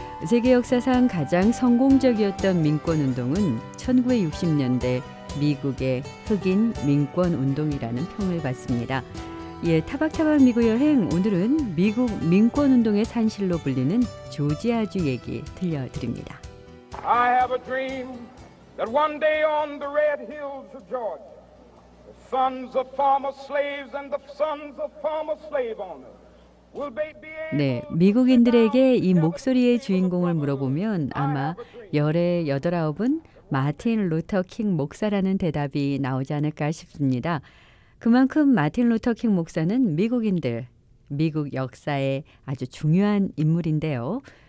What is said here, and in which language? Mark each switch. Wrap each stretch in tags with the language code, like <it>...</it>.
<ko>세계 역사상 가장 성공적이었던 민권운동은 1960년대 미국의 흑인 민권운동이라는 평을 받습니다. 예, 타박타박 미국 여행 오늘은 미국 민권운동의 산실로 불리는 조지아주 얘기 들려드립니다.</ko> <en>I have a dream that one day on the red hills of Georgia, the sons of former slaves and the sons of former slave owners.</en> <ko>네, 미국인들에게 이 목소리의 주인공을 물어보면 아마 열의 여덟아홉은 마틴 루터 킹 목사라는 대답이 나오지 않을까 싶습니다. 그만큼 마틴 루터킹 목사는 미국인들, 미국 역사에 아주 중요한 인물인데요.</ko>